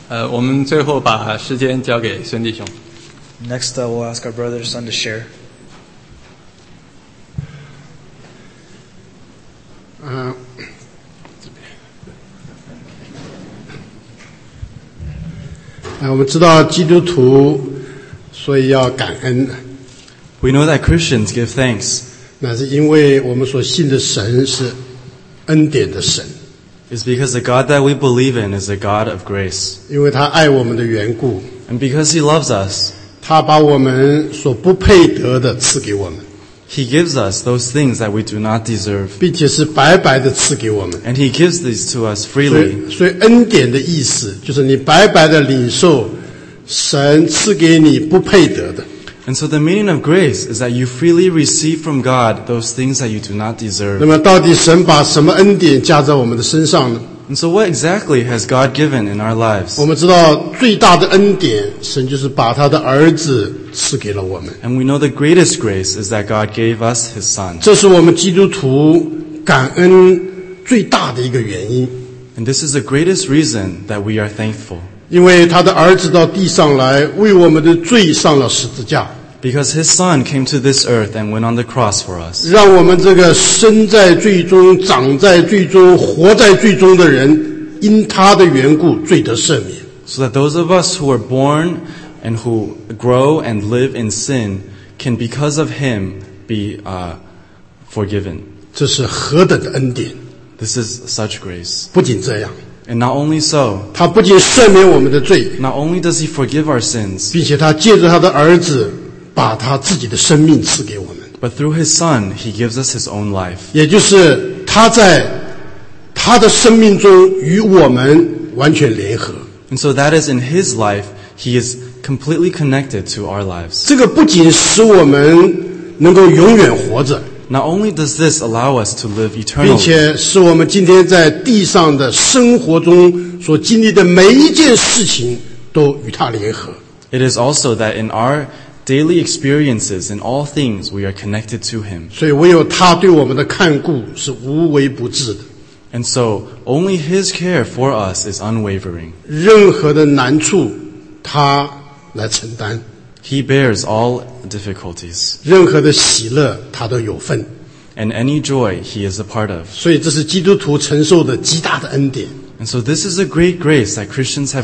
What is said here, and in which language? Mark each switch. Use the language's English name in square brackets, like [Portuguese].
[Chinese] 我们最后把时间交给孙弟兄。 [English] Next, we'll ask our brother or son to share. [Chinese] 我们知道基督徒，所以要感恩。 [English] We know that Christians give thanks. [Chinese] 那是因为我们所信的神是恩典的神。 [English] It's because the God that we believe in is a God of grace. [Chinese] 因为他爱我们的缘故。 [English] And because he loves us. [Chinese] 他把我们所不配得的赐给我们。 [English] He gives us those things that we do not deserve. [Chinese] 并且是白白的赐给我们。 [English] And he gives these to us freely. [Chinese] 所以恩典的意思就是你白白的领受神赐给你不配得的。 [English] And so the meaning of grace is that you freely receive from God those things that you do not deserve. [Chinese] 那么到底神把什么恩典加在我们的身上呢？ [English] And so what exactly has God given in our lives? [Chinese] 我们知道最大的恩典，神就是把他的儿子赐给了我们。 [English] And we know the greatest grace is that God gave us his son. [Chinese] 这是我们基督徒感恩最大的一个原因。 [English] And this is the greatest reason that we are thankful. [Chinese] 因为他的儿子到地上来为我们的罪上了十字架。 [English] Because his son came to this earth and went on the cross for us. [Chinese] 让我们这个生在罪中、长在罪中、活在罪中的人因他的缘故罪得赦免。 [English] So that those of us who are born and who grow and live in sin can because of him be forgiven. [Chinese] 这是何等的恩典。 [English] This is such grace. [Chinese] 不仅这样。 [English] And not only so, [Chinese] 他不仅赦免我们的罪， [English] not only does he forgive our sins, [Chinese] 并且他借着他的儿子把他自己的生命赐给我们， [English] but through his son, he gives us his own life. [Chinese] 也就是他在他的生命中与我们完全联合。 [English] And so that is in his life, he is completely connected to our lives. [Chinese] 这个不仅使我们能够永远活着， [English] Not only does this allow us to live eternally, [Chinese] 并且使我们今天在地上的生活中所经历的每一件事情都与他联合。 [English] It is also that in our daily experiences, in all things, we are connected to him. [Chinese] 所以唯有他对我们的看顾是无微不至的。 [English] And so, only his care for us is unwavering. [Chinese] 任何的难处他来承担。 [English] He bears all difficulties. [Chinese] 任何的喜乐他都有份。 [English] And any joy he is a part of. [Chinese] 所以这是基督徒承受的极大的恩典。 [English] And so this is a great grace that Christians have received.